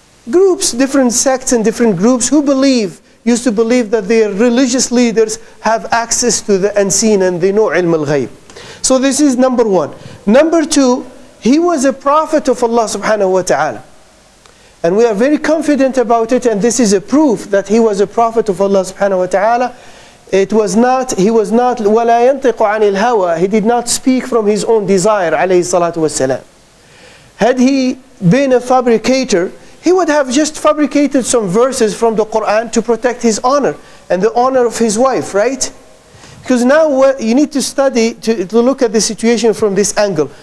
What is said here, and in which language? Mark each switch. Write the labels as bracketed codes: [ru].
[en] Groups, different sects and different groups who used to believe that their religious leaders have access to the unseen and they know ilm al-ghayb. So this is number one. Number two, he was a prophet of Allah subhanahu wa ta'ala. And we are very confident about it, and this is a proof that he was a prophet of Allah subhanahu wa ta'ala. He was not [ar] وَلَا يَنْطِقُ عَنِ الْهَوَى. [en] He did not speak from his own desire, alayhi salatu wasalam. Had he been a fabricator, he would have just fabricated some verses from the Quran to protect his honor and the honor of his wife, right? Because now you need to study to look at the situation from this angle.